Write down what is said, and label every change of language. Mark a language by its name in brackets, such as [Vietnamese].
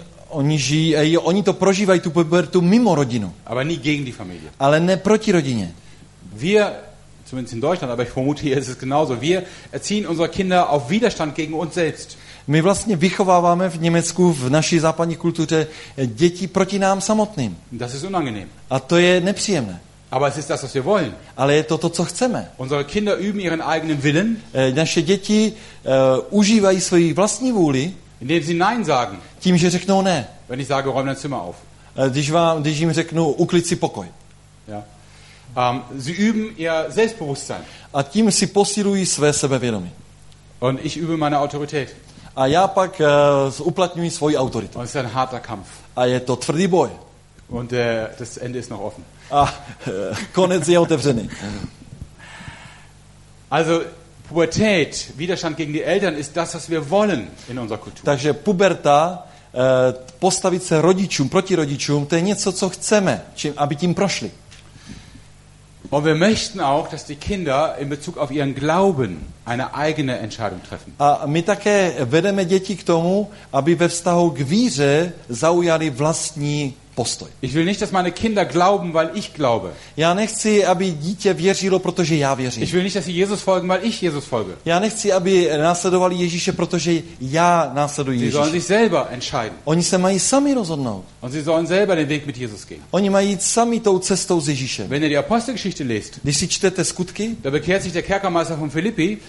[Czech] Oni to prožívají tu pubertu mimo rodinu. [German] Aber nie gegen die Familie. [Czech] Ale ne proti rodině. [German] Wir, zumindest in Deutschland, aber ich vermute, hier ist es genauso. Wir erziehen unsere Kinder auf Widerstand gegen uns selbst. [Czech] My vlastně vychováváme v Německu, v naší západní kultuře, děti proti nám samotným. [German] Das ist unangenehm. [Czech] A to je nepříjemné. [German] Aber es ist das, was wir wollen. [Czech] Ale je to to, co chceme. [German] Unsere Kinder üben ihren eigenen Willen. [Czech] Naše děti užívají svoji vlastní vůli. [German] Indem sie nein sagen. [Czech] Tím, že řeknou ne. [German] Wenn ich sage, räum dein Zimmer auf. [Czech] Když jim řeknu, uklid si pokoj. [German] Ja. Sie üben ihr Selbstbewusstsein. [Czech] A tím si posilují své sebevědomí. [German] Und ich übe meine Autorität. [Czech] A já pak uplatňuji svoji autoritu. [German] Und es ist ein harter Kampf. [Czech] A je to tvrdý boj. [German] Und das Ende ist noch offen. [Czech] A konec je otevřený. [German] Also Pubertät, Widerstand gegen die Eltern ist das, was wir wollen in unserer Kultur. [Czech] Takže puberta, postavit se rodičům proti rodičům, to je něco, co chceme, aby tím prošli. [German] Und wir möchten auch, dass die Kinder in Bezug auf ihren Glauben eine eigene Entscheidung treffen. [Czech] A my také vedeme děti k tomu, aby ve vztahu k víře zaujali vlastní postoj. [German] Ich will nicht, dass meine Kinder glauben, weil ich glaube. [Czech] Já nechci, aby dítě věřilo, protože já věřím. [German] Ich will nicht, dass sie Jesus folgen, weil ich Jesus folge. [Czech] Já nechci, aby následovali Ježíše, protože já následuji Ježíše. [German] Sie sollen sich selber entscheiden. [Czech] Oni se mají sami rozhodnout. [German] Und sie sollen selber den Weg mit Jesus gehen. [Czech] Oni mají sami tou cestou s Ježíšem. [German] Wenn ihr die Apostelgeschichte lest, [Czech] když si čtete Skutky, [German] da bekehrt sich der Kerkermeister von Philippi,